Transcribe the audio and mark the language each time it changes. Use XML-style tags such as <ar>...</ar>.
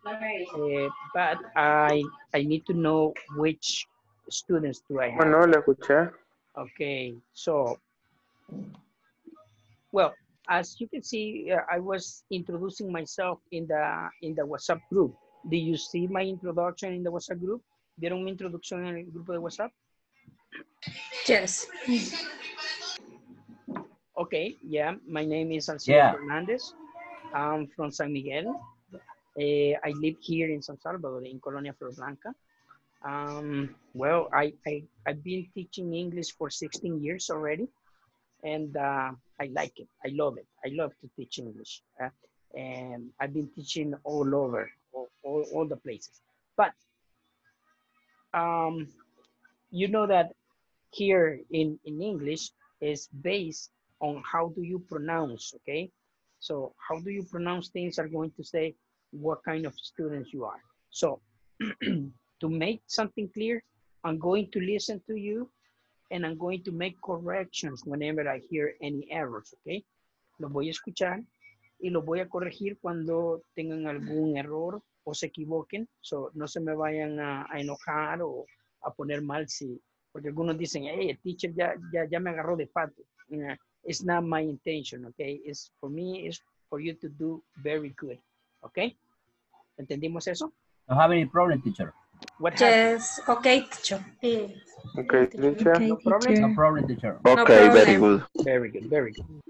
<en>But I need to know which students do I have.</en> <es>No, le escuché.</es> <en>Okay, so, well, as you can see, I was introducing myself in the WhatsApp group. Do you see my introduction in the WhatsApp group?</en> <es>¿Vieron mi introducción en el grupo de WhatsApp?</es> <en>Yes. Okay, yeah, my name is Alcide Fernandez. I'm from San Miguel. I live here in San Salvador, in Colonia Flor Blanca. Well, I've been teaching English for 16 years already, and I like it. I love it. I love to teach English. And I've been teaching all over. All the places, but you know that here in English is based on how do you pronounce, okay? So how do you pronounce things are going to say what kind of students you are. So to make something clear, I'm going to listen to you and I'm going to make corrections whenever I hear any errors, okay?</en> <es>Lo voy a escuchar y lo voy a corregir cuando tengan algún error o se equivoquen, so no se me vayan a enojar o a poner mal, si, porque algunos dicen, hey, el teacher ya me agarró de pato.</es> <en>It's not my intention, okay? It's for me, it's for you to do very good, okay?</en> <es>¿Entendimos eso?</es> <en>No have any problem, teacher. What yes, happened? Okay, teacher. Okay, teacher. No problem? No problem, teacher. Okay, no problem. Very good. Very good, very good.</en>